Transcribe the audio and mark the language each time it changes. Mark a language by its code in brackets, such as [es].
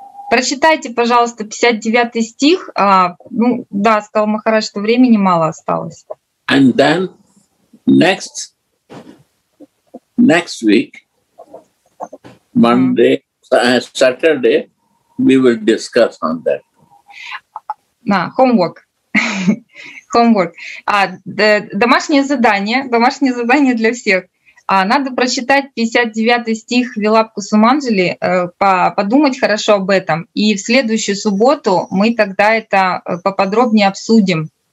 [ru] Прочитайте, пожалуйста, 59 стих. Ну, да, сказал Махарадж, что времени мало осталось. [en] And then next week, Monday, Saturday, we will discuss on that. Homework. [ru] Домашнее задание для всех. Надо прочитать 59 стих Вилапа Кусумаджали, подумать хорошо об этом. И в следующую субботу мы тогда это поподробнее обсудим.